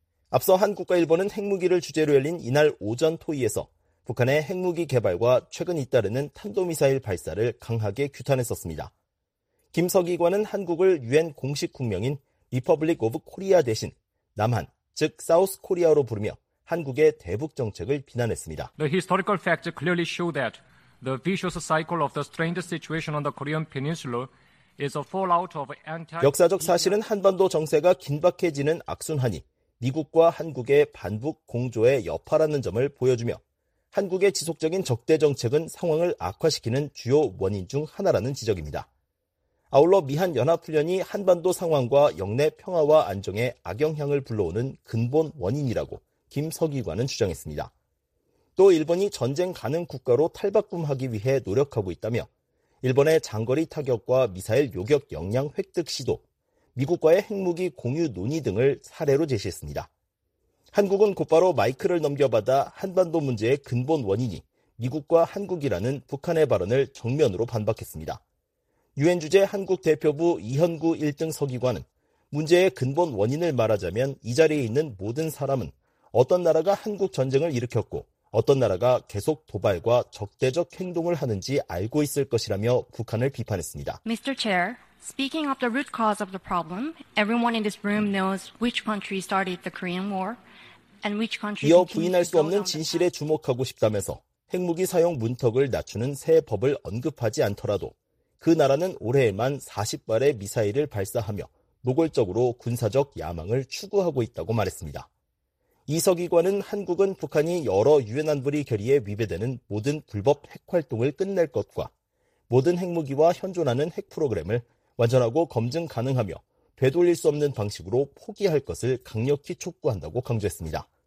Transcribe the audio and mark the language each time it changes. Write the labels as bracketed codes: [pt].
[ko] 앞서 한국과 일본은 핵무기를 주제로 열린 이날 오전 토의에서 북한의 핵무기 개발과 최근 잇따르는 탄도미사일 발사를 강하게 규탄했었습니다. 김 서기관은 한국을 유엔 공식 국명인 리퍼블릭 오브 코리아 대신 남한, 즉 사우스 코리아로 부르며 한국의 대북 정책을 비난했습니다. [en] The historical facts clearly show that the vicious cycle of the strained situation on the Korean Peninsula is a fallout of anti [ko] 역사적 사실은 한반도 정세가 긴박해지는 악순환이 미국과 한국의 반북 공조의 여파라는 점을 보여주며 한국의 지속적인 적대 정책은 상황을 악화시키는 주요 원인 중 하나라는 지적입니다. 아울러 미한연합훈련이 한반도 상황과 영내 평화와 안정에 악영향을 불러오는 근본 원인이라고 김 서기관은 주장했습니다. 또 일본이 전쟁 가능 국가로 탈바꿈하기 위해 노력하고 있다며 일본의 장거리 타격과 미사일 요격 역량 획득 시도, 미국과의 핵무기 공유 논의 등을 사례로 제시했습니다. 한국은 곧바로 마이크를 넘겨받아 한반도 문제의 근본 원인이 미국과 한국이라는 북한의 발언을 정면으로 반박했습니다. 유엔 주재 한국 대표부 이현구 1등 서기관은 문제의 근본 원인을 말하자면 이 자리에 있는 모든 사람은 어떤 나라가 한국 전쟁을 일으켰고 어떤 나라가 계속 도발과 적대적 행동을 하는지 알고 있을 것이라며 북한을 비판했습니다. [en] Mr. Chair, speaking of the root cause of the problem, everyone in this room knows which country started the Korean War and which country. [ko] 이어 부인할 수 없는 진실에 주목하고 싶다면서 핵무기 사용 문턱을 낮추는 새 법을 언급하지 않더라도 그 나라는 올해에만 40발의 미사일을 발사하며 노골적으로 군사적 야망을 추구하고 있다고 말했습니다. 이 서기관은 한국은 북한이 여러 유엔 안보리 결의에 위배되는 모든 불법 핵활동을 끝낼 것과 모든 핵무기와 현존하는 핵 프로그램을 완전하고 검증 가능하며 되돌릴 수 없는 방식으로 포기할 것을 강력히 촉구한다고 강조했습니다.